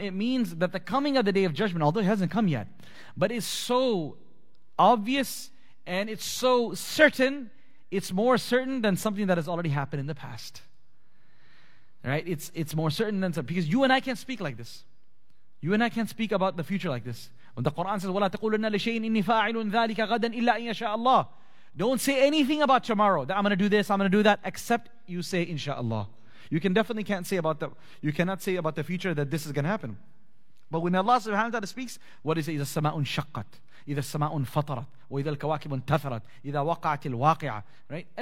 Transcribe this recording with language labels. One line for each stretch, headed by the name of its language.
English: It means that the coming of the day of judgment, although it hasn't come yet, but it's so obvious and it's so certain, it's more certain than something that has already happened in the past. Right? It's more certain than something. Because you and I can't speak like this. You and I can't speak about the future like this. When the Quran says,
Arabic: وَلَا تَقُولُنَّ لِشَيْءٍ إِنِّي فَاعِلٌ ذَلِكَ غَدًا إِلَّا إِنْ يَشَاءَ اللَّهِ.
English: Don't say anything about tomorrow, that I'm going to do this, I'm going to do that, except you say, inshallah. You can definitely can't say about the, you cannot say about the future that this is going to happen. But when Allah subhanahu wa ta'ala speaks, what is it?
Arabic: إِذَا السَّمَاءٌ شَقَّتْ إِذَا السَّمَاءٌ فَطَرَتْ وَإِذَا الْكَوَاكِبُ انْتَثَرَتْ إِذَا وَقَعَتِ الْوَاقِعَةِ. Right?